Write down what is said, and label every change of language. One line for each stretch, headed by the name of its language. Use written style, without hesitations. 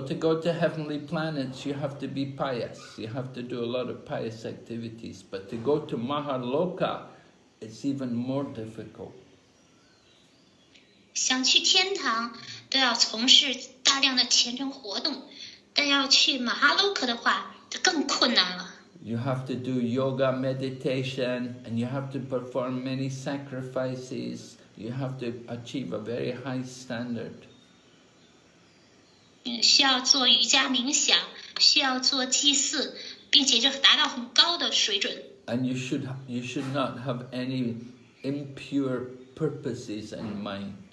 English: to go to heavenly planets, you have to be pious. You have to do a lot of pious activities. But to go to Mahaloka, it's even more difficult.
Chinese: 想去天堂，都要从事大量的虔诚活动。但要去马哈洛克的话，就更困难了。
English: You have to do yoga meditation, and you have to perform many sacrifices. You have to achieve a very high standard.
Chinese: 需要做瑜伽冥想，需要做祭祀，并且就达到很高的水准。
English: And you should not have any impure purposes in mind.